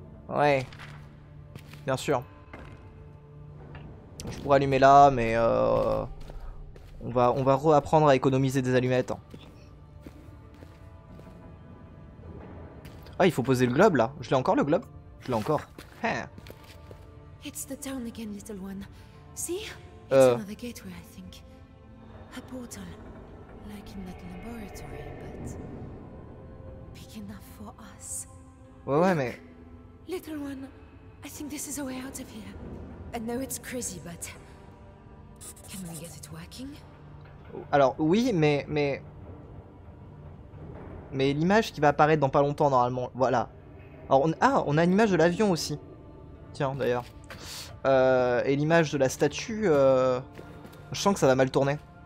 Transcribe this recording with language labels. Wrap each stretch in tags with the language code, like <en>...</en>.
<fr>Ouais. Bien sûr. Je pourrais allumer là, mais on va réapprendre à économiser des allumettes. Ah, il faut poser le globe là. Je l'ai encore le globe? Je l'ai encore.</fr> <en>It's the town again, little one. See? Another gateway, I think. A portal, like in that laboratory, but big enough for us.</en> <fr>Ouais, ouais, mais.</fr> <en>Little one, I think this is a way out of here. I know it's crazy, but can we get it working?</en> <fr>Alors oui, mais l'image qui va apparaître dans pas longtemps normalement, voilà. Alors on a une image de l'avion aussi. Tiens d'ailleurs. Et l'image de la statue, je sens que ça va mal tourner.</fr>